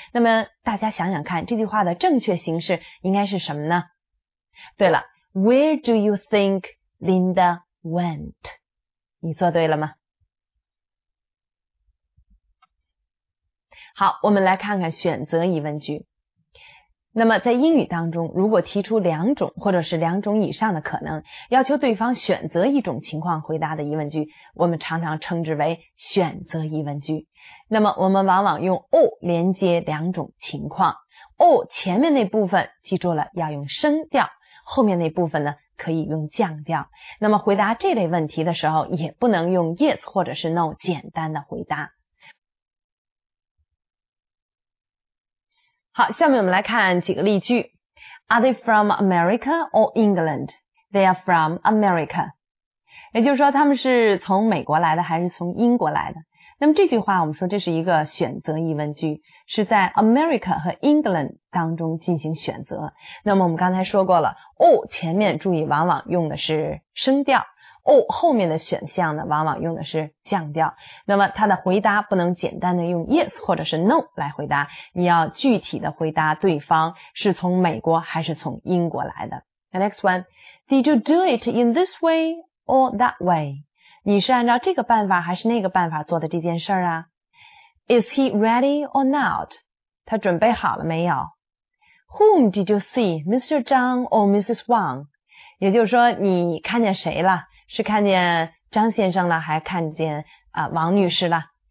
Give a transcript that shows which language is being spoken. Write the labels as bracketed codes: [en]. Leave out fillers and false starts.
[zh] 那么大家想想看，这句话的正确形式应该是什么呢？对了， [en] Where do you think Linda went? [zh] 你做对了吗？好，我们来看看选择疑问句。那么在英语当中，如果提出两种或者是两种以上的可能，要求对方选择一种情况回答的疑问句，我们常常称之为选择疑问句。那么我们往往用 or 连接两种情况。 or 前面那部分记住了要用升调，后面那部分呢可以用降调。那么回答这类问题的时候，也不能用 yes 或者是 no 简单的回答。好，下面我们来看几个例句。 [en] Are they from America or England? They are from America。 [zh] 也就是说他们是从美国来的还是从英国来的。那么这句话我们说这是一个选择疑问句，是在 America 和 England 当中进行选择。那么我们刚才说过了 or 前面注意往往用的是升调， or 后面的选项呢往往用的是降调。那么它的回答不能简单的用 yes 或者是 no 来回答，你要具体的回答对方是从美国还是从英国来的。 [en] The next one, Did you do it in this way or that way? [zh] 你是按照这个办法还是那个办法做的这件事儿啊？ [en] Is he ready or not? [zh] 他准备好了没有？ [en] Whom did you see, Mr. Zhang or Mrs. Wang? [zh] 也就是说你看见谁了？是看见张先生了还看见王女士了？